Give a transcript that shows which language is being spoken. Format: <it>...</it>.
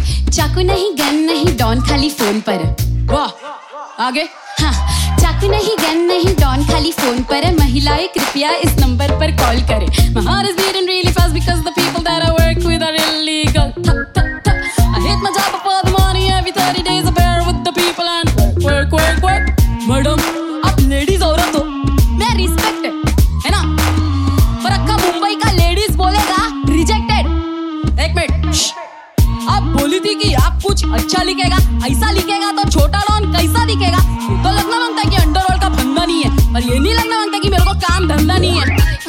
<hi>चाकू नहीं गन नहीं डॉन खाली फोन पर वाह आगे हाँ चाकू नहीं गन नहीं डॉन खाली फोन पर महिलाएं कृपया इस नंबर पर कॉल करें</hi> <en>My heart is beating really fast because the people that I work with are illegal thup, thup, thup. I hit my job for the money every 30 days I bear with the people and work work work madam</en> <hi>आप ladies औरत हो मैं respect है ना पर अक्का मुंबई का ladies बोलेगा रिजेक्टेड एक मिनट आप बोली थी कि आप कुछ अच्छा लिखेगा ऐसा लिखेगा तो छोटा डॉन कैसा दिखेगा तो लगना मांगता है कि अंडरवर्ल्ड का धंधा नहीं है पर ये नहीं लगना मांगता कि मेरे को काम धंधा नहीं है</hi>